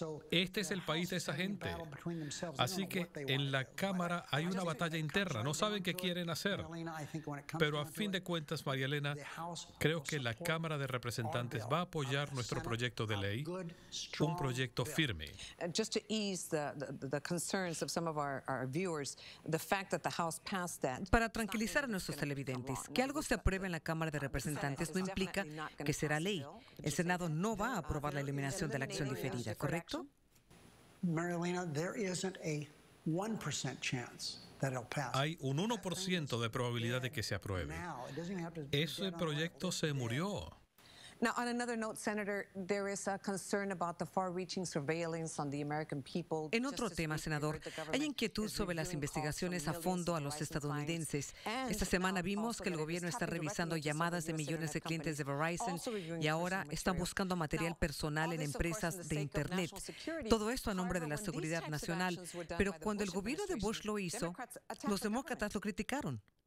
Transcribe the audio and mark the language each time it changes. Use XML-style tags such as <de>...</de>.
<es>Este es el país de esa gente. Así que en la Cámara hay una batalla interna. No saben qué quieren hacer. Pero a fin de cuentas, María Elena, creo que la Cámara de Representantes va a apoyar nuestro proyecto de ley, un proyecto firme.</es> <en>Just to ease the concerns of some of our viewers, the fact that the House passed that.</en> <es>Para tranquilizar a nuestros televidentes, que algo se apruebe en la Cámara de Representantes no implica que será ley. El Senado no va a aprobar la eliminación de la acción diferida. ¿Correcto?</es> <en>Marilena, there isn't a 1% chance.</en> <es>Hay un 1% de probabilidad de que se apruebe. Ese proyecto se murió.</es> <en>Now, on another note, Senator, there is a concern about the far-reaching surveillance on the American people.</en> <es>En otro tema, senador, hay inquietud sobre las investigaciones a fondo a los estadounidenses. Esta semana vimos que el gobierno está revisando llamadas de millones de clientes de Verizon y ahora está buscando material personal en empresas de Internet. Todo esto a nombre de la seguridad nacional. Pero cuando el gobierno de Bush lo hizo, los demócratas lo criticaron.</es>